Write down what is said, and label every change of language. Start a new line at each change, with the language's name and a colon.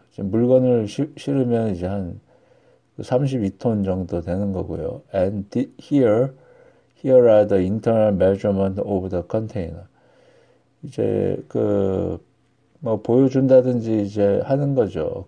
Korean: 지금 물건을 실으면 이제 한 32톤 정도 되는 거고요.
English: And here are the internal measurement of the container.
Korean: 이제 보여준다든지 이제 하는 거죠.